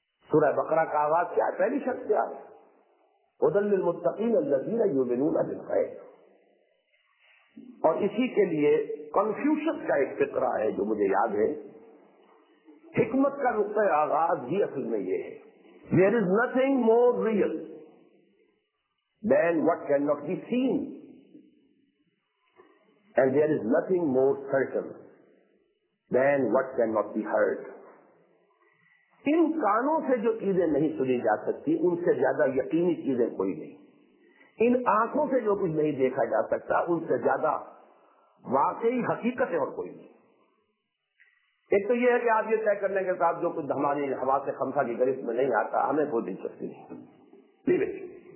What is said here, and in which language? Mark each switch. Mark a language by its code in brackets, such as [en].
[ur] سورہ بقرہ کا آغاز کیا ہے؟ پہلی شرط کیا ہے؟ [ar] ہدل للمتقین الذین یؤمنون بالغیب. [ur] اور اسی کے لیے کنفیوژن کا ایک فقرہ ہے جو مجھے یاد ہے. حکمت کا نقطۂ آغاز بھی اصل میں یہ ہے. [en] There is nothing more real than what cannot be seen, and there is nothing more certain than what cannot be heard. [ur] ان کانوں سے جو چیزیں نہیں سنی جا سکتی ان سے زیادہ یقینی چیزیں کوئی نہیں. ان آنکھوں سے جو کچھ نہیں دیکھا جا سکتا ان سے زیادہ واقعی حقیقت اور کوئی نہیں. ایک تو یہ ہے کہ آپ یہ طے کرنے کے ساتھ جو کچھ ہماری حواس خمسہ کی گرفت میں نہیں آتا ہمیں کوئی دلچسپی نہیں.